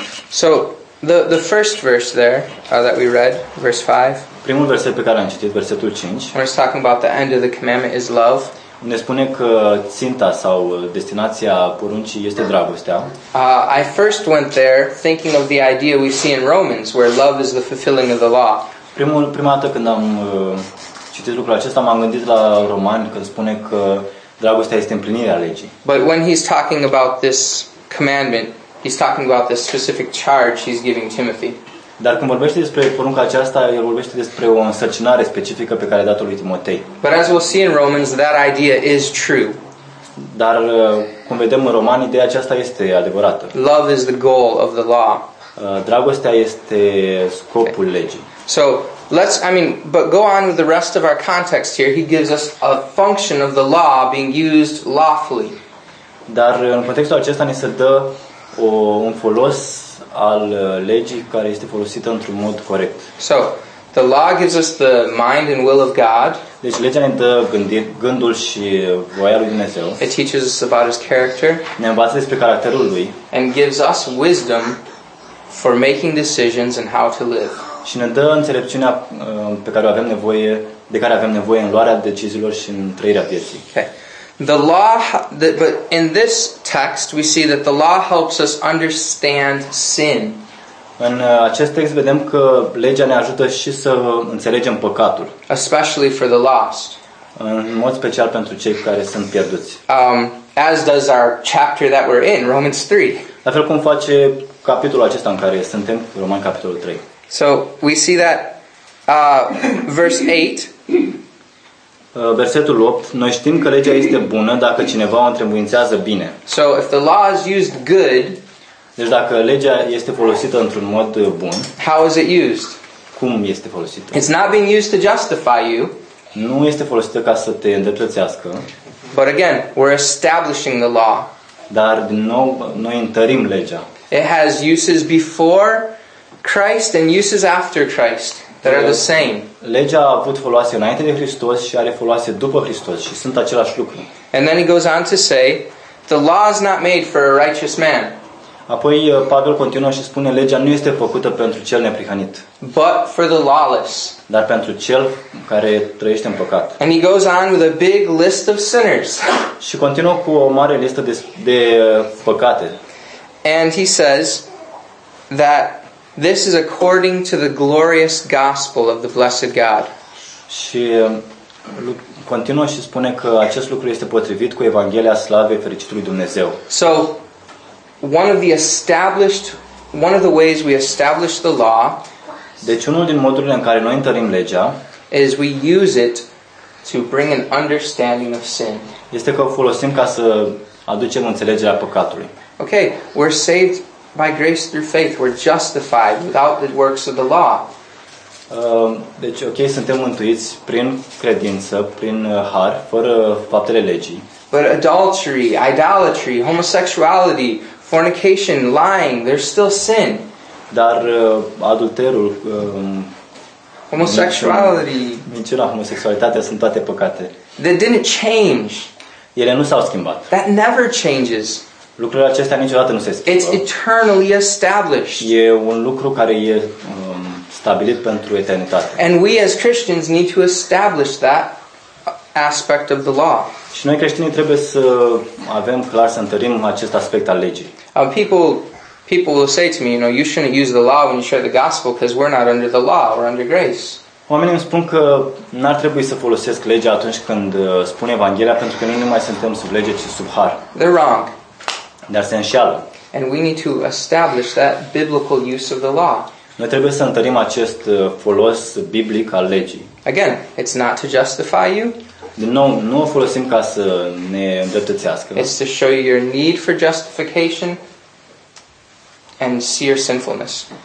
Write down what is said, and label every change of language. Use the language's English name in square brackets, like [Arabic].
[English] So, the first verse there that we read, verse 5. [Romanian] Primul verset pe care am citit, versetul 5. [English] When it's talking about the end of the commandment is love. [Romanian] Ne spune că ținta sau destinația poruncii este dragostea. [English] I first went there thinking of the idea we see in Romans where love is the fulfilling of the law. [Romanian] Prima dată când am citit lucrul acesta, m-am gândit la Romani când spune că dragostea este împlinirea legii. [English] But when he's talking about this commandment, he's talking about this specific charge he's giving Timothy. [Romanian] Dar când vorbește despre porunca aceasta, el vorbește despre o însărcinare specifică pe care a dat-o lui Timotei. [English] But as we'll see in Romans, that idea is true. [Romanian] Dar cum vedem în Romani, ideea aceasta este adevărată. [English] Love is the goal of the law. [Romanian] Dragostea este scopul legii. [English] So, but go on with the rest of our context here. He gives us a function of the law being used lawfully. [Romanian] Dar în contextul acesta ni se dă un folos al legii care este folosită într-un mod corect. [English] So, the law gives us the mind and will of God. [Romanian] Deci legea ne dă gândul și voia lui Dumnezeu. [English] It teaches us about his character. [Romanian] Ne învață despre caracterul lui. [English] And gives us wisdom for making decisions and how to live. [Romanian] Și ne dă înțelepciunea pe care o avem nevoie, de care avem nevoie în luarea deciziilor și în trăirea vieții. [English] Okay. The law, but in this text we see that the law helps us understand sin. [Romanian] În acest text vedem că legea ne ajută și să înțelegem păcatul. [English] Especially for the lost. [Romanian] În mod special pentru cei care sunt pierduți. [English] As does our chapter that we're in, Romans 3. [Romanian] La fel cum face capitolul acesta în care suntem, Romani capitolul 3. [English] So we see that verse 8. [Romanian] Versetul 8, noi știm că legea este bună dacă cineva o întrebuințează bine. [English] So if the law is used good, [Romanian] deci dacă legea este folosită într-un mod bun, [English] how is it used? [Romanian] Cum este folosită? [English] It's not being used to justify you. [Romanian] Nu este folosită ca să te îndreptățească. [English] But again, we're establishing the law. [Romanian] Dar din nou, noi întărim legea. [English] It has uses before Christ and uses after Christ that are the same. [Romanian] Legea a avut foloase înainte de Hristos și are foloase după Hristos și sunt același lucru. [English] And then he goes on to say, the law is not made for a righteous man. [Romanian] Apoi Pavel continuă și spune, legea nu este făcută pentru cel neprihanit. [English] But for the lawless. [Romanian] Dar pentru cel care trăiește în păcat. [English] And he goes on with a big list of sinners. [Romanian] Și continuă cu o mare listă de păcate. [English] And he says that this is according to the glorious gospel of the blessed God. [Romanian] Și continuă și spune că acest lucru este potrivit cu Evanghelia slavei fericitului Dumnezeu. [English] So, one of the ways we establish the law, [Romanian] deci unul din modurile în care noi întărim legea, [English] is we use it to bring an understanding of sin. [Romanian] Este că o folosim ca să aducem înțelegerea păcatului. [English] Okay, we're saved by grace through faith, we're justified without the works of the law. [Romanian] Deci, ok, suntem mântuiți prin credință, prin har, fără faptele legii. [English] But adultery, idolatry, homosexuality, fornication, lying, there's still sin. [Romanian] Dar adulterul, [English] homosexuality, [Romanian] minciuna, homosexualitatea sunt toate păcate. [English] They didn't change. [Romanian] Ele nu s-au schimbat. [English] That never changes. [Romanian] Lucrurile acestea niciodată nu se schimbă. [English] It's eternally established. [Romanian] E un lucru care e stabilit pentru eternitate. [English] And we as Christians need to establish that aspect of the law. [Romanian] Și noi creștinii trebuie să avem clar, să întărim acest aspect al legii. [English] People will say to me, you know, you shouldn't use the law when you share the gospel because we're not under the law, we're under grace. [Romanian] Oamenii îmi spun că n-ar trebui să folosesc legea atunci când spun Evanghelia pentru că noi nu mai suntem sub lege, ci sub har. [English] They're wrong. [Romanian] Dar se înșeală. [English] And we need to establish that biblical use of the law. [Romanian] Noi trebuie să întărim acest folos biblic al legii. [English] Again, it's not to justify you. [Romanian] Din nou, nu o folosim ca să ne îndreptățească. [English] It's to show you your need for justification and see your sinfulness.